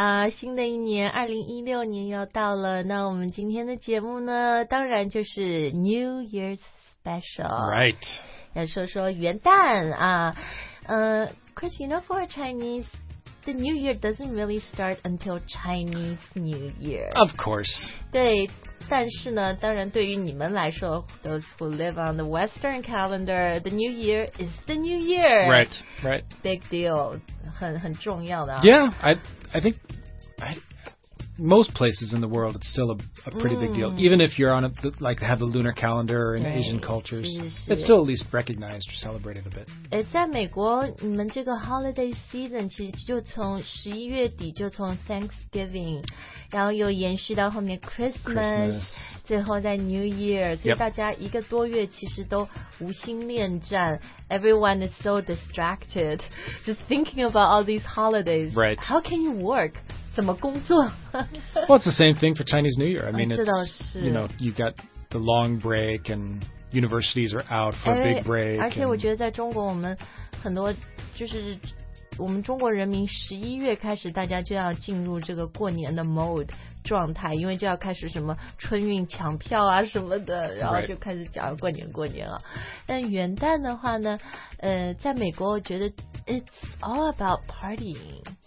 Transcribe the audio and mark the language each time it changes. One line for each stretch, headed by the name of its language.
Chinese: 新的一年2016年要到了，那我们今天的节目呢当然就是 New Year's Special.
English: Right.
Chinese: 要说说元旦啊。
English: Chris, you know, for a Chinese, the New Year doesn't really start until Chinese New Year. Of course.
Chinese: 对，但是呢当然对于你们来说
English: those who live on the Western calendar, the New Year is the New Year. Right, right. Big deal.
Chinese: 很重要的。
English: Yeah, I think most places in the world, it's still a pretty big deal. Even if you're on have the lunar calendar in Asian cultures,
Chinese: 是。
English: It's still at least recognized or celebrated a bit.
Chinese: 在美国，你们这个 holiday season 其实就从十一月底就从 Thanksgiving， 然后又延续到后面 Christmas， 最后在 New Year， 所以大家一个多月其实都无心恋战。
English: Everyone is so distracted, just thinking about all these holidays. Right. How can you work?
Chinese: 怎么工作
English: Well, it's the same thing for Chinese New Year. I mean, you know, you've got the long break and universities are out for a big break.
Chinese: 而且我觉得在中国我们很多就是我们中国人民十一月开始大家就要进入这个过年的 mode 状态，因为就要开始什么春运抢票啊什么的，然后就开始讲过年过年了。但元旦的话呢，在美国我觉得
English: it's all about partying.